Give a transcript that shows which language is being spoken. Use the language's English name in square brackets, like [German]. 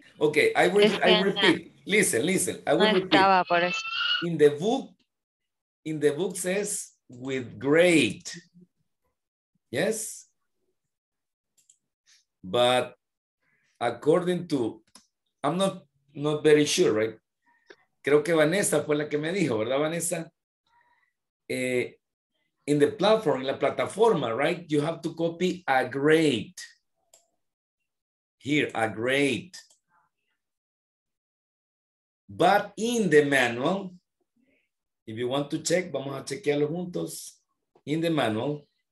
[English] Okay, I repeat. Listen, I will repeat. In the book says with great. Yes? But according to, I'm not very sure, right? [Spanish] Creo que Vanessa fue la que me dijo, ¿verdad, Vanessa? [English] In the platform, in [Spanish] la plataforma, [English] right? You have to copy a great. here, a grade. But in the manual, if you want to check, [Spanish] vamos a chequearlo juntos. [English] In the manual.